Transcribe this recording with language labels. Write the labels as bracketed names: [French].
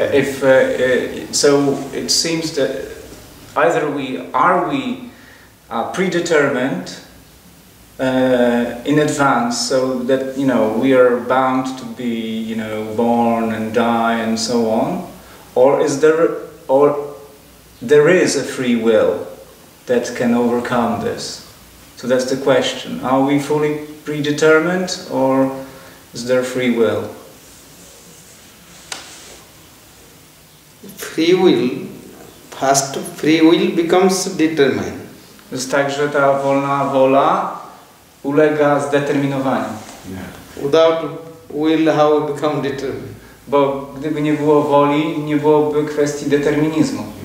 [English] If so it seems that either we are we predetermined in advance, so that, you know, we are bound to be, you know, born and die and so on, or there is a free will that can overcome this? So that's the question. Are we fully predetermined, or is there free will? Free will, first free will becomes determined. [Polish] To jest tak, że ta wolna wola ulega zdeterminowaniu. [English] Yeah. Without will, how we become determined? [Polish] Bo gdyby nie było woli, nie byłoby kwestii determinizmu.